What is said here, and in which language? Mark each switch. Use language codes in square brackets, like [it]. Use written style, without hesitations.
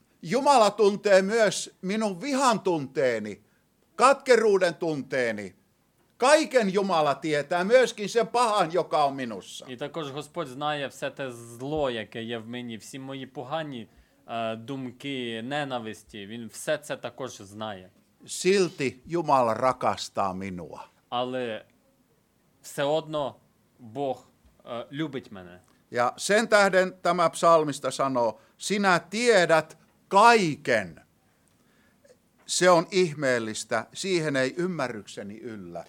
[fi] Jumala tuntee myös minun vihan tunteeni, katkeruuden tunteeni. Kaiken Jumala tietää, myöskin sen pahan, joka on minussa. [uk] І також Господь знає все те зло, яке є в мені, всі мої погані думки, ненависті, він все це також знає. [fi] Silti Jumala rakastaa minua. [uk] Але все одно Бог любить мене. [fi] Ja sen tähden tämä psalmista sanoo, sinä tiedät kaiken. Se on ihmeellistä, siihen ei ymmärrykseni yllä.